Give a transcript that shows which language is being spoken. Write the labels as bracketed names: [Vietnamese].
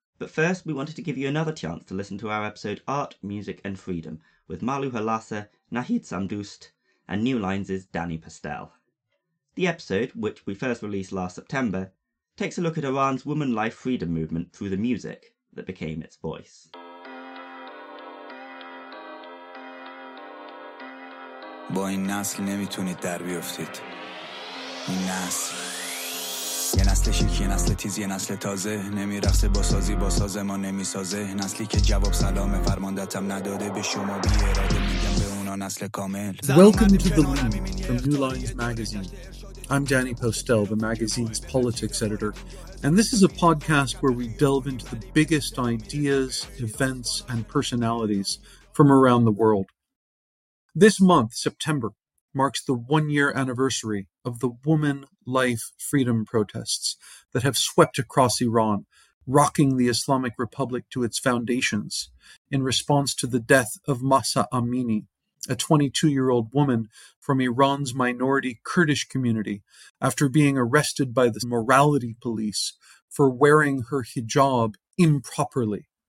[English] But first, we wanted to give you another chance to listen to our episode Art, Music and Freedom, with Malu Halasa, Nahid Siamdoust, and New Lines' Danny Postel. The episode, which we first released last September, takes a look at Iran's woman life freedom movement through the music that became its voice. [Persian] با این نسل نمیتونید در بیافتید. این نسل یه نسل شیکی، نسل تیز، یه نسل تازه، نمیرخصه با سازی، با ساز ما نمیسازه. نسلی که جواب سلام فرماندتم نداده، به شما بی اراده میگم به اونا نسل کامل. [English] Welcome to The Lead from New Lines magazine. I'm Danny Postel, the magazine's politics editor, and this is a podcast where we delve into the biggest ideas, events, and personalities from around the world. This month, September, marks the one-year anniversary of the woman life freedom protests that have swept across Iran, rocking the Islamic Republic to its foundations in response to the death of Mahsa Amini, a 22-year-old woman from Iran's minority Kurdish community, after being arrested by the morality police for wearing her hijab improperly.